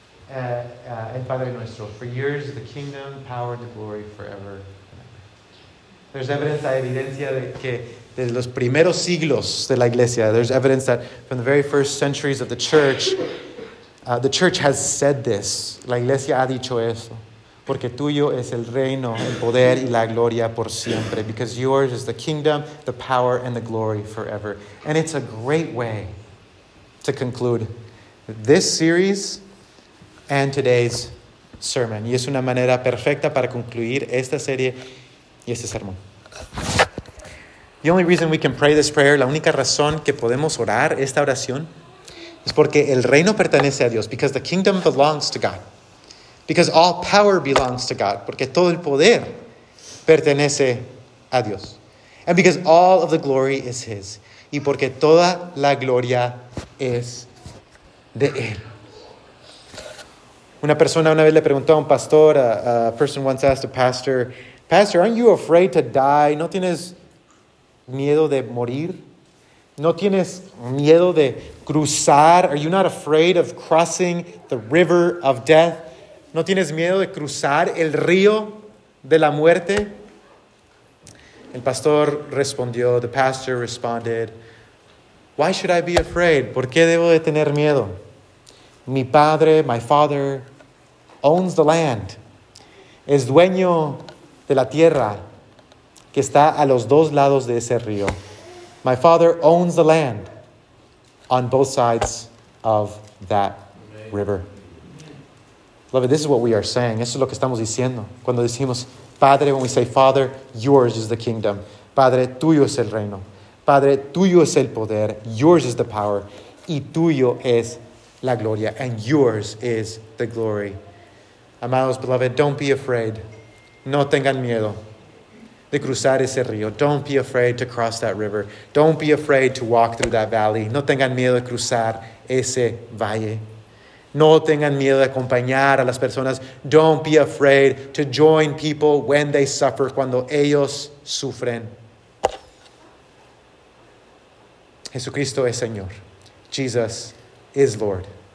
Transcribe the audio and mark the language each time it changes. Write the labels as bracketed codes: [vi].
[es] El Padre Nuestro. [en] For years, the kingdom, power, and the glory forever. There's evidence, [es] hay evidencia de que desde los primeros siglos de la iglesia, [en] there's evidence that from the very first centuries of the church has said this. [es] La iglesia ha dicho eso. Porque tuyo es el reino, el poder y la gloria por siempre. [en] Because yours is the kingdom, the power, and the glory forever. And it's a great way to conclude this series and today's sermon. [es] Y es una manera perfecta para concluir esta serie y este sermón. [en] The only reason we can pray this prayer, [es] la única razón que podemos orar esta oración, es porque el reino pertenece a Dios. [en] Because the kingdom belongs to God. Because all power belongs to God. [es] Porque todo el poder pertenece a Dios. [en] And because all of the glory is His. [es] Y porque toda la gloria es de Él. Una persona una vez le preguntó a un pastor, [en] a person once asked a pastor, Pastor, aren't you afraid to die? [es] ¿No tienes miedo de morir? ¿No tienes miedo de cruzar? [en] Are you not afraid of crossing the river of death? [es] ¿No tienes miedo de cruzar el río de la muerte? El pastor respondió, [en] the pastor responded, why should I be afraid? [es] ¿Por qué debo de tener miedo? Mi padre, [en] my father, [es] owns the land. Es dueño de la tierra que está a los dos lados de ese río. [en] My father owns the land on both sides of that river. Beloved, this is what we are saying. [es] Esto es lo que estamos diciendo. Cuando decimos, Padre, [en] when we say, Father, yours is the kingdom. [es] Padre, tuyo es el reino. Padre, tuyo es el poder. [en] Yours is the power. [es] Y tuyo es la gloria. [en] And yours is the glory. Amados, beloved, don't be afraid. [es] No tengan miedo. de cruzar ese río. [en] Don't be afraid to cross that river. Don't be afraid to walk through that valley. [es] No tengan miedo de cruzar ese valle. No tengan miedo de acompañar a las personas. [en] Don't be afraid to join people when they suffer, [es] cuando ellos sufren. Jesucristo es Señor. [en] Jesus is Lord.